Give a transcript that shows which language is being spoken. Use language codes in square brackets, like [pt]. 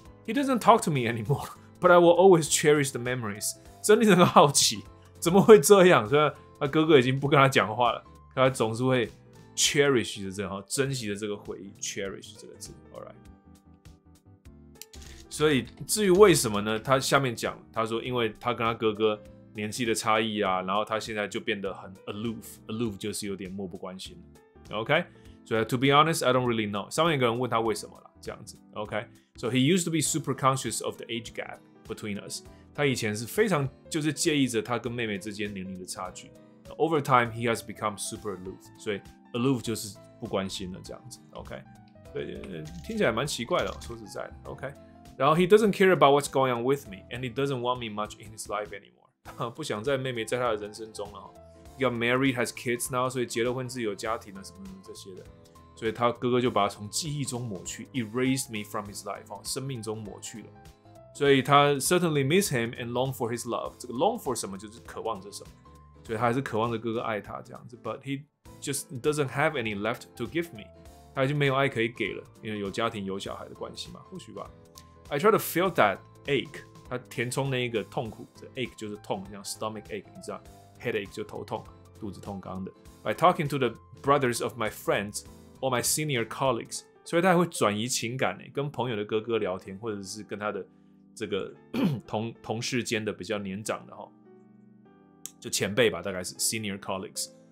[en] He doesn't talk to me anymore， but I will always cherish the memories。 [zh] 真令人好奇，怎么会这样？虽然他哥哥已经不跟他讲话了，可他总是会 cherish 的这哈，珍惜的这个回忆 ，cherish 这个字。 [en] All right。 [zh] 所以至于为什么呢，他下面讲，他说因为他跟他哥哥年纪的差异啊，然后他现在就变得很 aloof 就是有点漠不关心。 [en] OK， 所、so, 以 to be honest I don't really know， [zh] 上面一个人问他为什么啦，这样子。 [en] OK， so he used to be super conscious of the age gap between us， [zh] 他以前是非常就是介意着他跟妹妹之间年龄的差距。 [en] Over time he has become super aloof， [zh] 所以 aloof 就是不关心了，这样子。 OK， 所以听起来蛮奇怪的、哦、说实在的。 [en] OK， [zh] 然后 [en] he doesn't care about what's going on with me, and he doesn't want me much in his life anymore. [zh] 不想在妹妹在他的人生中了。 [en] He got married, has kids now, [zh] 所以结了婚自己有家庭了什么什么这些的。所以他哥哥就把他从记忆中抹去 ， [en] erased me from his life, [zh] 生命中抹去了。所以他 [en] certainly miss him and long for his love. [zh] 这个 long for 什么就是渴望着什么。所以他还是渴望着哥哥爱他这样子。 [en] But he just doesn't have any left to give me. [zh] 他已经没有爱可以给了，因为有家庭有小孩的关系嘛，或许吧。 [en] I try to feel that ache， [zh] 他填充那一个痛苦，这 ache 就是痛，像 stomach ache， 你知道 ，headache 就头痛，肚子痛，刚的。 [en] By talking to the brothers of my friends or my senior colleagues， [zh] 所以他会转移情感，跟朋友的哥哥聊天，或者是跟他的这个同事间的比较年长的就前辈吧，大概是 senior colleagues。